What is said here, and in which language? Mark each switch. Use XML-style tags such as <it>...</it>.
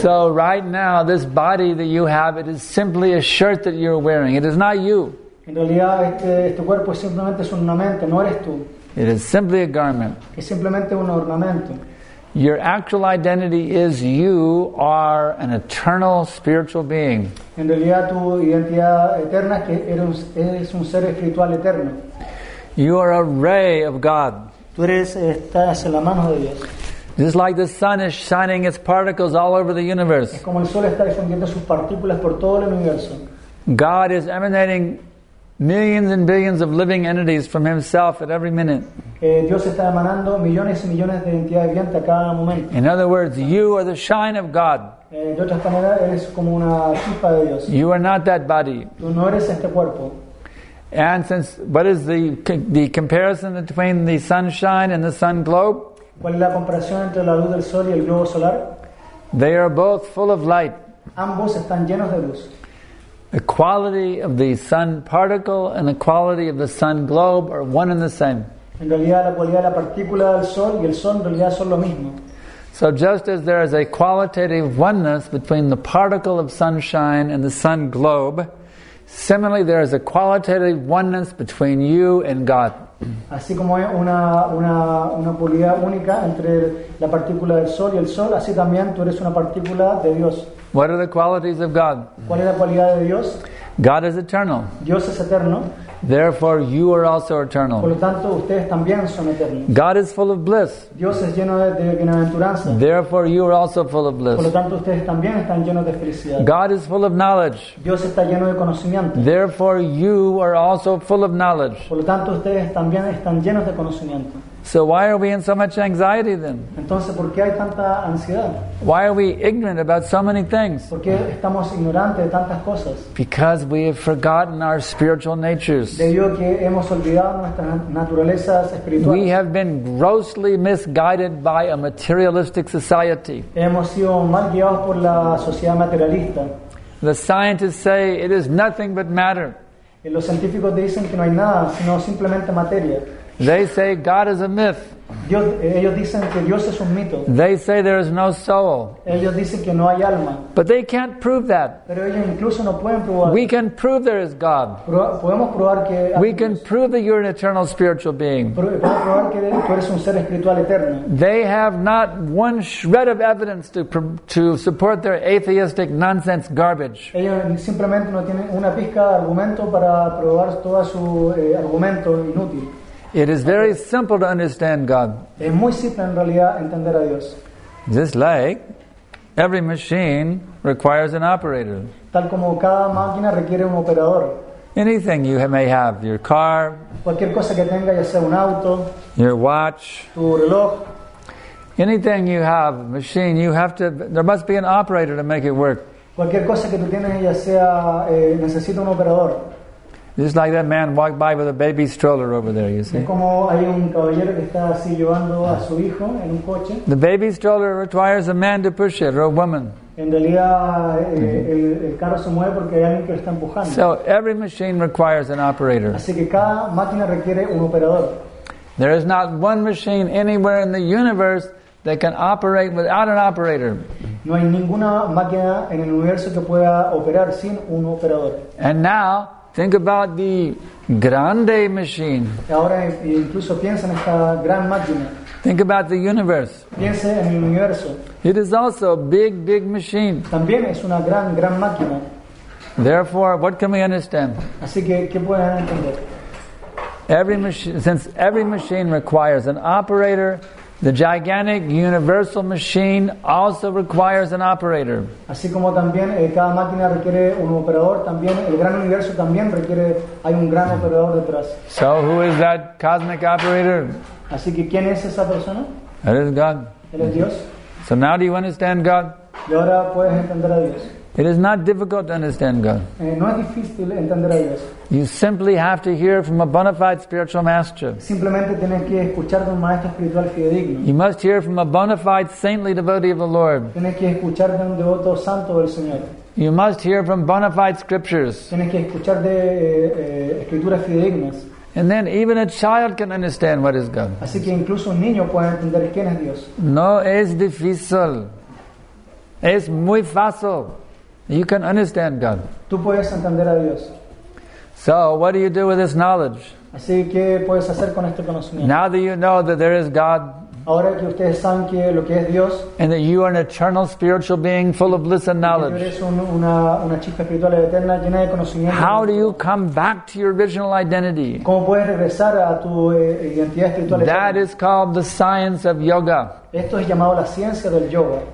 <en>So right now, this body that you have, it is simply a shirt that you're wearing. It is not you.</en> <es>En realidad, este cuerpo simplemente es un ornamento, no eres tú.</es> <en>It is simply a garment.</en> <es>Es simplemente un ornamento.</es> <en>Your actual identity is you are an eternal spiritual being.</en> <es>En realidad, tu identidad eterna es que eres un ser espiritual eterno.</es> <en>You are a ray of God.</en> <es>Tú eres, estás en la mano de Dios.</es> <en>Just like the sun is shining its particles all over the universe.</en> <es>Es como el sol está difundiendo sus partículas por todo el universo.</es> <en>God is emanating millions and billions of living entities from himself at every minute.</en> <es>Dios está emanando millones y millones de entidades vivientes a cada momento.</es> <en>In other words, you are the shine of God.</en> <es>De otra manera, eres como una chispa de Dios.</es> <en>You are not that body.</en> <es>Tú no eres este cuerpo.</es> <en>And since, what is the comparison between the sunshine and the sun globe?</en> <es>¿Cuál es la comparación entre la luz del sol y el globo solar?</es> <en>They are both full of light.</en> <es>Ambos están llenos de luz.</es> <en>The quality of the sun particle and the quality of the sun globe are one and the same.</en> <es>En realidad, la cualidad de la partícula del sol y el sol en realidad son lo mismo.</es> <en>So just as there is a qualitative oneness between the particle of sunshine and the sun globe, similarly there is a qualitative oneness between you and God.</en> <es>Así como hay una cualidad única entre la partícula del sol y el sol, así también tú eres una partícula de Dios.</es> <en>What are the qualities of God?</en> <es>¿Cuál es la cualidad de Dios?</es> <en>God is eternal.</en> <es>Dios es eterno.</es> <en>Therefore, you are also eternal.</en> <es>Por lo tanto, ustedes también son eternos.</es> <en>God is full of bliss.</en> <es>Dios es lleno de bienaventuranza.</es> <en>Therefore, you are also full of bliss.</en> <es>Por lo tanto, ustedes también están llenos de felicidad.</es> <en>God is full of knowledge.</en> <es>Dios está lleno de conocimiento.</es> <en>Therefore, you are also full of knowledge.</en> <es>Por lo tanto, ustedes también están llenos de conocimiento.</es> <en>So why are we in so much anxiety then?</en> <es>Entonces, ¿por qué hay tanta ansiedad?</es> <en>Why are we ignorant about so many things?</en> <es>¿Por qué estamos ignorantes de tantas cosas?</es> <en>Because we have forgotten our spiritual natures.</en> <es>Debido a que hemos olvidado nuestras naturalezas espirituales.</es> <en>We have been grossly misguided by a materialistic society.</en> <es>Hemos sido mal guiados por la sociedad materialista.</es> <en>The scientists say it is nothing but matter.</en> <es>Y los científicos dicen que no hay nada, sino simplemente materia.</es> <en>They say God is a myth.</en> <es>Dios, ellos dicen que Dios es un mito.</es> <en>They say there is no soul.</en> <es>Ellos dicen que no hay alma.</es> <en>But they can't prove that.</en> <es>Pero ellos incluso no pueden probar.</es> <en>We can prove there is God.</en> <es>Podemos probar que hay</es> <en>we can</en> <es>Dios.</es> <en>Prove that you're an eternal spiritual being.</en> <es>Podemos probar que tú eres un ser espiritual eterno.</es> <en>They have not one shred of evidence to support their atheistic nonsense garbage.</en> <es>Ellos simplemente no tienen una pizca de argumento para probar todo su argumento inútil.</es> <en>It is very simple to understand God.</en> <es>Es muy simple en realidad entender a Dios.</es> <en>Just like every machine requires an operator.</en> <es>Tal como cada máquina requiere un operador.</es> <en>Anything you may have, your car,</en> <es>cualquier cosa que tenga, ya sea un auto,</es> <en>your watch,</en> <es>tu reloj,</es> <en>anything you have, machine, you have to. There must be an operator to make it work.</en> <es>Cualquier cosa que tú tienes, ya sea, necesita un operador.</es> <en>Just like that man walked by with a baby stroller over there, you see.</en> <es>Como hay un caballero que está así llevando a su hijo en un coche.</es> <en>The baby stroller requires a man to push it or a woman.</en> <es>En realidad, el carro se mueve porque hay alguien que lo está empujando.</es> <en>So every machine requires an operator.</en> <es>Así que cada máquina requiere un operador.</es> <en>There is not one machine anywhere in the universe that can operate without an operator.</en> <es>No hay ninguna máquina en el universo que pueda operar sin un operador.</es> <en>And now think about the grande machine.</en> <es>Ahora incluso piensa en esta gran máquina.</es> <en>Think about the universe.</en> <es>Piense en el universo.</es> <en>It is also a big, big machine.</en> <es>También es una gran, gran máquina.</es> <en>Therefore, what can we understand?</en> <es>Así que, ¿qué pueden entender?</es> <en>Since every machine requires an operator, the gigantic universal machine also requires an operator.</en> <es>Así como también cada máquina requiere un operador, también el gran universo también requiere hay un gran operador detrás.</es> <en>So who is that cosmic operator?</en> <es>Así que ¿quién es esa persona?</es> <en>That is God.</en> <es>Él es Dios.</es> <en>So now do you understand God?</en> <es>Y ahora puedes entender a Dios.</es> <en>It is not difficult to understand God.</en> <es>No es difícil entender a Dios.</es> <en>You simply have to hear from a bona fide spiritual master.</en> <es>Simplemente tienes que escuchar de un maestro espiritual fidedigno.</es> <en>You must hear from a bona fide saintly devotee of the Lord.</en> <es>Tienes que escuchar de un devoto santo del Señor.</es> <en>You must hear from bona fide scriptures.</en> <es>Tienes que escuchar de escrituras fidedignas.</es> <en>And then even a child can understand what is God.</en> <es>Así que incluso un niño puede entender quién es Dios. No es difícil. Es muy fácil.</es> <en>You can understand God.</en> <es>Tú puedes entender a Dios.</es> <en>So, what do you do with this knowledge?</en> <es>Así que puedes hacer con este conocimiento.</es> <en>Now that you know that there is God,</en> <es>Ahora que ustedes saben que lo que es Dios,</es> <en>and that you are an eternal spiritual being full of bliss and knowledge,</en> <es>una chispa espiritual eterna, llena de conocimiento.</es> <en>How do you come back to your original identity?</en> <es>¿Cómo puedes regresar a tu identidad espiritual?</es> <en>That is called the science of yoga.</en> <es>Esto es llamado la ciencia del yoga.</es>